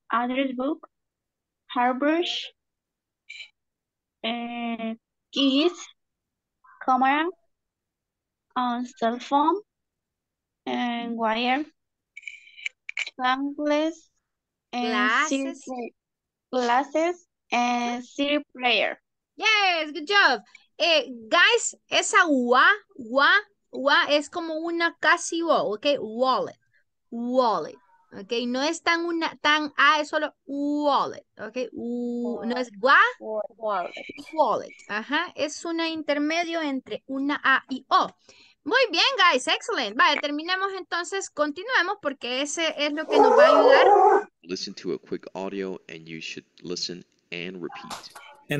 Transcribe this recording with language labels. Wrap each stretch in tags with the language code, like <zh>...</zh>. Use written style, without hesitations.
<en>Address book, hairbrush, keys, camera, cell phone, and wire, sunglasses, and glasses, and CD player. Yes, good job.</en> <es>Guys, esa wa es como una casi wa, okay? Wallet. Okay, no es tan una tan a, es solo wallet, okay? No es gua,</es> <en>wallet.</en> <es>Ajá, es una intermedio entre una a y o. Muy bien,</es> <en>guys, excellent.</en> <es>Vale, terminamos entonces, continuemos porque ese es lo que nos va a ayudar.</es> <en>Listen to a quick audio and you should listen and repeat.</en>